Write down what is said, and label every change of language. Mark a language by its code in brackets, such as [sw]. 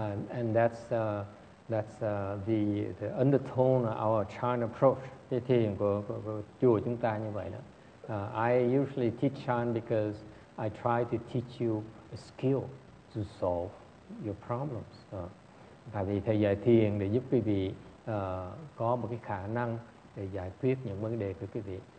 [en] And that's the undertone of our chan approach. [vi] Cái thiền của chùa chúng ta như vậy đó. [en] I usually teach chan because I try to teach you a skill to solve your problems. [vi] Tại vì thầy dạy thiền để giúp quý vị có một cái khả năng để giải quyết những vấn đề của quý vị.